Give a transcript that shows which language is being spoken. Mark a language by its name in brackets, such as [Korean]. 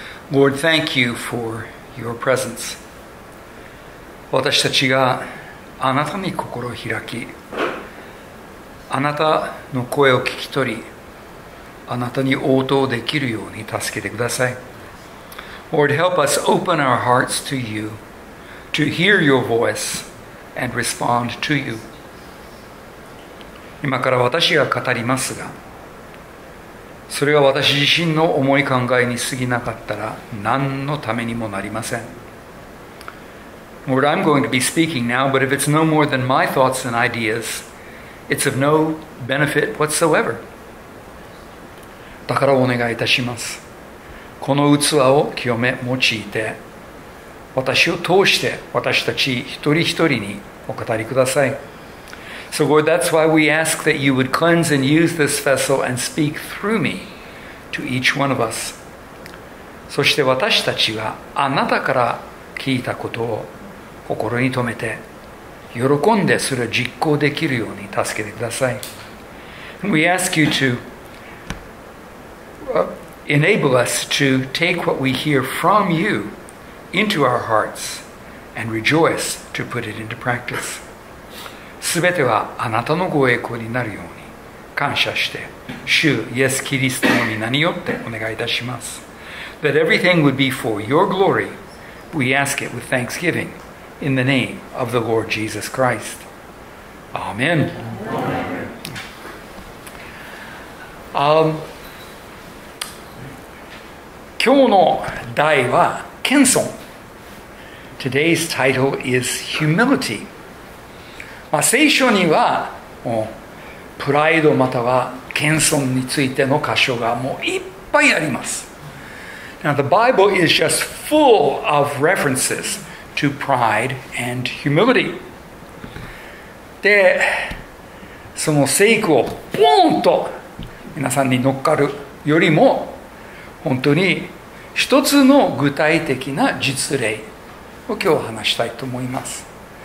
[English] Lord, thank you for your presence. [Japanese] 私たちがあなたに心を開き、あなたの声を聞き取り、あなたに応答できるように助けてください。 [English] Lord, help us open our hearts to you, to hear your voice and respond to you. [Japanese] 今から私が語りますが、それは私自身の思い考えに過ぎなかったら何のためにもなりません。 [English] Lord, I'm going to be speaking now, but if it's no more than my thoughts and ideas, it's of no benefit whatsoever. [Japanese] だからお願いいたします。この器を清め用いて、私を通して私たち一人一人にお語りください。 [English] So Lord, that's why we ask that you would cleanse and use this vessel and speak through me to each one of us. [Japanese] そして私たちはあなたから聞いたことを心に留めて、喜んでそれを実行できるように助けてください。 [English] We ask you to enable us to take what we hear from you into our hearts and rejoice to put it into practice. [Japanese] すべてはあなたのご栄光になるように感謝して、主イエスキリストの御名によってお願いいたします。 [English] That everything would be for your glory, we ask it with thanksgiving. In the name of the Lord Jesus Christ. Amen. Amen. [Japanese] 今日の題は謙遜。 [English] Today's title is Humility. [Japanese] まあ、聖書にはもうプライドまたは謙遜についての箇所がもういっぱいあります。 [English] Now the Bible is just full of references. To pride and humility. [Japanese] で、その聖句をポーンと皆さんに乗っかるよりも、本当に一つの具体的な実例を今日話したいと思います。